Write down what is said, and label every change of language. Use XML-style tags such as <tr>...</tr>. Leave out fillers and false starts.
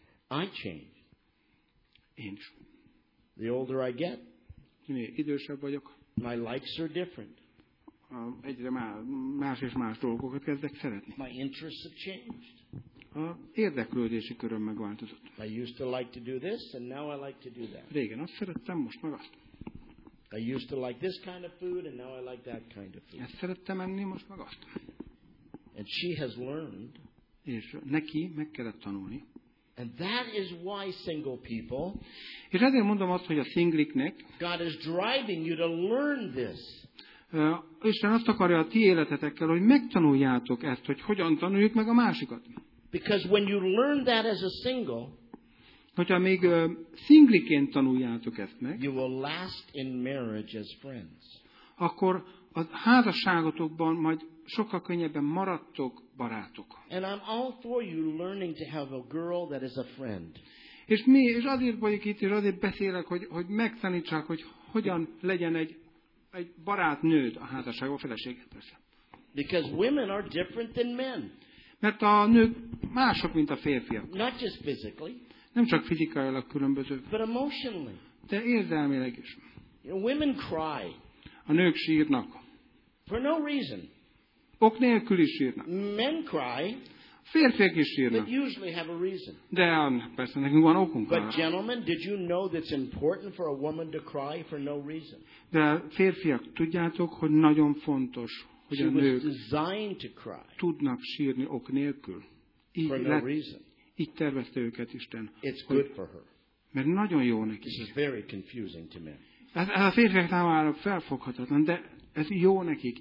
<en>I changed.</en> <hu>Én is.</hu> <en>The older I get,</en> <hu>minél idősebb vagyok,</hu> <en>my likes are different.</en> <hu>Egyre más és más dolgokat kezdek szeretni.</hu> <en>My interests have changed.</en> <hu>A érdeklődési köröm megváltozott.</hu> <en>I used to like to do this, and now I like to do that.</en> <hu>Régen azt szerettem, most meg azt.</hu> <en>I used to like this kind of food, and now I like that kind of food.</en> <hu>Ezt szerettem enni, most meg azt.</hu> <en>And she has learned.</en> <hu>És neki meg kellett tanulni.</hu> <en>And that is why single people.</en> <hu>És ezért mondom azt, hogy a szingliknek.</hu> <en>God is driving you to learn this.</en> <hu>Isten azt akarja a ti életetekkel, hogy megtanuljátok ezt, hogy hogyan tanuljuk meg a másikat.</hu> <en>Because when you learn that as a single,</en> <hu>hogyha még szingliként tanuljátok ezt meg,</hu> <en>you will last in marriage as friends.</en> <hu>Akkor a házasságotokban majd sokkal könnyebben maradtok barátok.</hu> <en>And I'm all for you learning to have a girl that is a friend.</en> <hu>És mi, és azért vagyok itt, és azért beszélek, hogy megtanítsák, hogy hogyan legyen egy barátnőd a házasságban, a feleséged persze.</hu> <en>Because women are different than men.</en> <hu>Mert a nők mások, mint a férfiak.</hu> <en>Not just physically.</en> <hu>Nem csak fizikailag különbözők.</hu> <en>But emotionally.</en> <hu>De érzelmileg is.</hu> <en>You know, women cry.</en> <hu>A nők sírnak.</hu> <en>For no reason.</en> <hu>Ok nélkül is sírnak.</hu> <en>Men cry.</en> <hu>Férfiak is sírnak.</hu> <en>But usually have a reason.</en> <hu>De persze nekünk van okunk.</hu> <en>But gentlemen, did you know that's important for a woman to cry for no reason?</en> <hu>De férfiak, tudjátok, hogy nagyon fontos, hogy a nők tudnak sírni ok nélkül. Így,</hu> <en>for no reason.</en> <hu>Így tervezte őket Isten.</hu> <en>It's good for her.</en> <hu>Mert nagyon jó neki.</hu> <en>This is very confusing to men.</en> <hu>A férfiak számára felfoghatatlan, de ez jó nekik.</hu>